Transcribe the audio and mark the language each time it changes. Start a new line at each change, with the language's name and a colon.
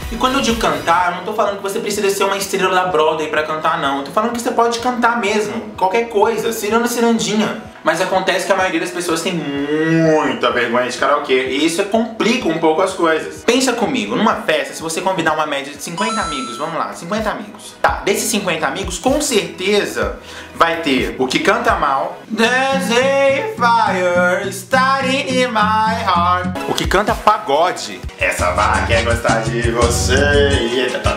Portuguese: E quando eu digo cantar, eu não tô falando que você precisa ser uma estrela da Broadway pra cantar, não. Eu tô falando que você pode cantar mesmo, qualquer coisa, cirando cirandinha. Mas acontece que a maioria das pessoas tem muita vergonha de karaokê. E isso complica um pouco as coisas. Pensa comigo, numa festa, se você convidar uma média de 50 amigos, vamos lá, 50 amigos. Tá, desses 50 amigos, com certeza vai ter o que canta mal.
English: Dancing fire, starting in my heart.
Portuguese: O que canta pagode. Essa vaca é gostar de você.